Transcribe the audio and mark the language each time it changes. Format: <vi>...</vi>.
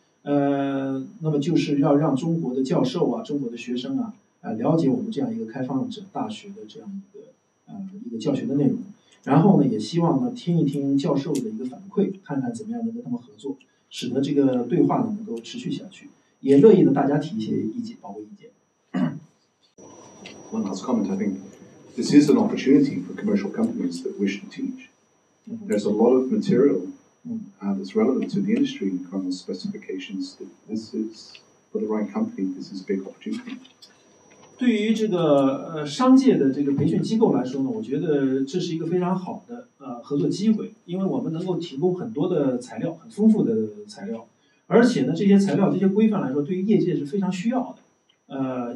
<zh>那么就是要让中国的教授啊，中国的学生啊，了解我们这样一个开放者大学的这样一个教学的内容。然后呢，也希望呢听一听教授的一个反馈，看看怎么样能跟他们合作，使得这个对话呢能够持续下去。也乐意呢大家提一些意见，包括意见。</zh> <en>One last comment, I think this is an opportunity for commercial companies that wish to teach. There's a lot of material. That's relevant to the industry and kind of specifications. This is for the right company. This is a big opportunity.</en> <zh>对于这个商界的这个培训机构来说呢，我觉得这是一个非常好的合作机会，因为我们能够提供很多的材料，很丰富的材料，而且呢，这些材料、这些规范来说，对于业界是非常需要的。</zh>